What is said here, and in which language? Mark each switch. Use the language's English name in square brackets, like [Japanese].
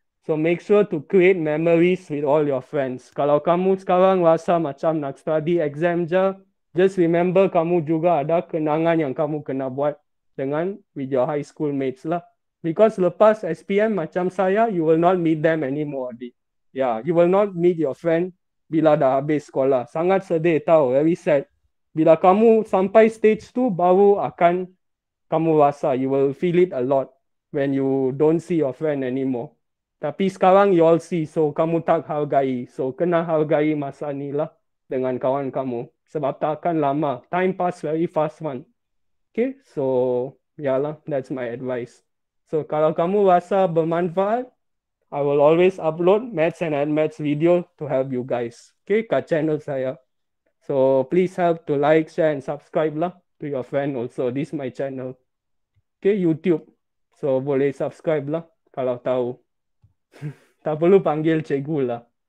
[English] So, make sure to create memories with all your friends. [Malay] Kalau kamu sekarang rasa macam nak study exam je, [English] just remember [Malay] kamu juga ada kenangan yang kamu kena buat dengan [English] with your high school mates [Malay] lah. [English] Because [Malay] lepas SPM macam saya, [English] you will not meet them anymore. Yeah, you will not meet your friend [Malay] bila dah habis sekolah. Sangat sedih tau, [English] very sad. [Malay] Bila kamu sampai stage tu, baru akan kamu rasa. [English] You will feel it a lot when you don't see your friend anymore. [Malay] Tapi sekarang [English] you all see, [Malay] so kamu tak hargai. So kena hargai masa ni lah dengan kawan kamu. Sebab takkan lama. [English] Time pass very fast one. Okay, so yalah, that's my advice. So [Malay] kalau kamu rasa bermanfaat, [English] I will always upload maths and admaths video to help you guys. [Malay] Okay, kat channel saya. [English] So please help to like, share and subscribe lah to your friend also. This is my channel. Okay, YouTube. [Malay] So boleh subscribe lah kalau tahu. Tak perlu panggil cikgu lah.